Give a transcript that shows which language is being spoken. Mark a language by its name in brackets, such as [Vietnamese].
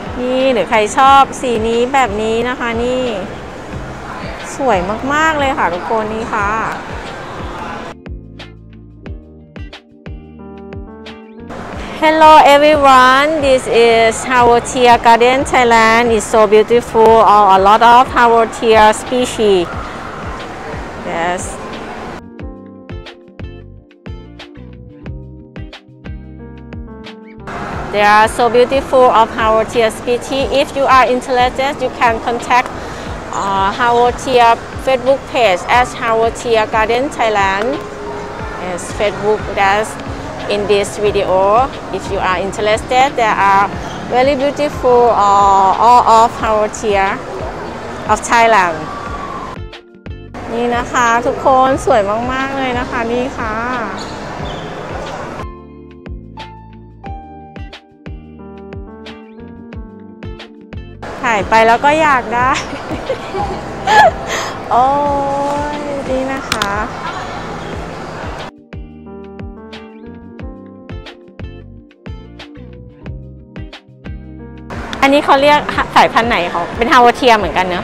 [Thai] หรือใครชอบสีนี้แบบนี้นะคะนี่สวยมากๆเลยค่ะทุกคนนี่ค่ะ [English] Hello everyone, this is Hawotia Garden Thailand. It's so beautiful, a lot of Hawotia species. Yes. They are so beautiful of Hawotia species. If you are interested, you can contact Hawotia Facebook page as Hawotia Garden Thailand. Yes, Facebook, that's in this video. If you are interested, there are very beautiful all of Hawotia of Thailand. [Thai] นี่นะคะทุกคนสวยมากๆเลยนะคะนี่ค่ะถ่ายไปแล้วก็อยากได้โอ้ยนี่นะคะอันนี้เขาเรียกสายพันธุ์ไหนเขาเป็นฮาวเทียเหมือนกันเนอะ